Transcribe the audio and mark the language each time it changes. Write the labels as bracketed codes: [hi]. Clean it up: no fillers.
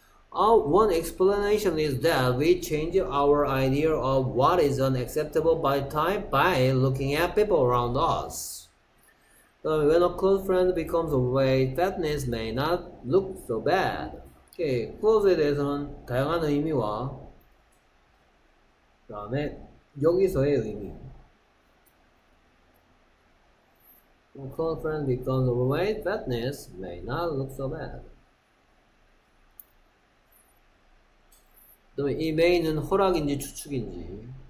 [en] One explanation is that we change our idea of what is an acceptable body type by looking at people around us. When a close friend becomes overweight, fatness may not look so bad. [ko] 오케이. 클로즈에 대해서는 다양한 의미와 그 다음에 여기서의 의미. [en] When close friend becomes overweight, fatness may not look so bad. [ko] 그 다음에 이 may는 허락인지 추측인지.